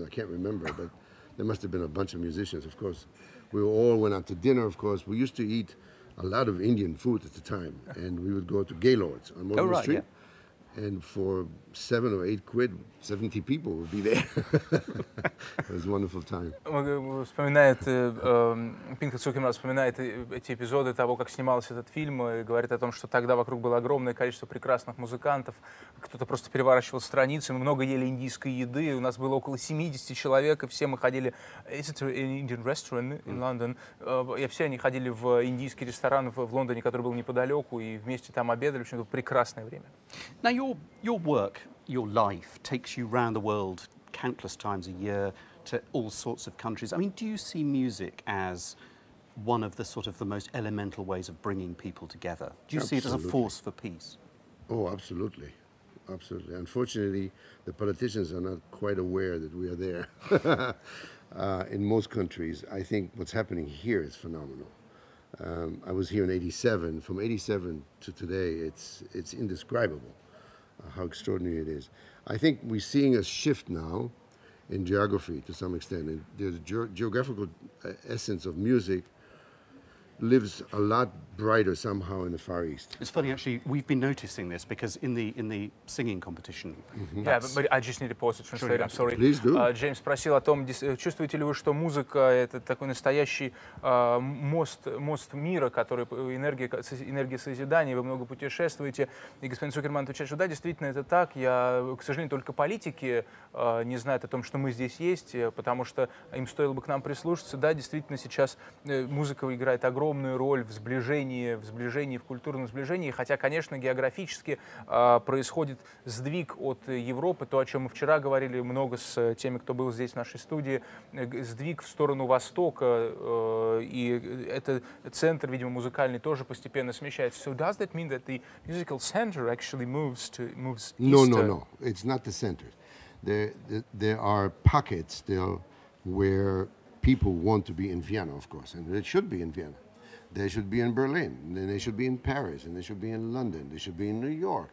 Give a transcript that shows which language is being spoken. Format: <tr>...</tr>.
<en>I can't remember, but there must have been a bunch of musicians. Of course, we all went out to dinner. Of course, we used to eat a lot of Indian food at the time, and we would go to Gaylord's on Morgan Street. Yeah. And for 7 or 8 quid, 70 people would be there. It was a wonderful time.</en> <ru>Вспоминает Пинка Цукерман вспоминает эти эпизоды того, как снимался этот фильм, и говорит о том, что тогда вокруг было огромное количество прекрасных музыкантов, кто-то просто переворачивал страницы, мы много ели индийской еды, у нас было около 70 человек, и все мы ходили.</ru> <en>Is it an Indian restaurant in London?</en> <ru>И все они ходили в индийский ресторан в Лондоне, который был неподалеку, и вместе там обедали. В общем, это прекрасное время.</ru> <en>Now your work, your life takes you around the world countless times a year to all sorts of countries. I mean, do you see music as one of the sort of the most elemental ways of bringing people together? Do you absolutely see it as a force for peace? Oh, absolutely. Absolutely. Unfortunately, the politicians are not quite aware that we are there. In most countries, I think what's happening here is phenomenal. I was here in 87. From 87 to today, it's indescribable how extraordinary it is. I think we're seeing a shift now in geography to some extent. And the geographical essence of music lives a lot brighter somehow in the Far East. It's funny, actually, we've been noticing this because in the singing competition. Mm-hmm. Yeah, but I just need to pause it for a second. I'm sorry. Please do.</en> <ru>James спросил о том, чувствуете ли вы, что музыка это такой настоящий мост мира, который энергия созидания, вы много путешествуете. И господин Цукерман отвечает, что да, действительно это так. Я, к сожалению, только политики не знают о том, что мы здесь есть, потому что им стоило бы к нам прислушаться. Да, действительно, сейчас музыка играет огромную роль в сближении, в культурном сближении, хотя, конечно, географически происходит сдвиг от Европы, то, о чем мы вчера говорили много с теми, кто был здесь в нашей студии, сдвиг в сторону Востока, и этот центр, видимо, музыкальный тоже постепенно смещается.</ru> <en>So does that mean that the musical center actually moves east? No, it's not the center. There are pockets still where people want to be in Vienna, of course, and it should be in Vienna. They should be in Berlin, and they should be in Paris, and they should be in London, they should be in New York.</en>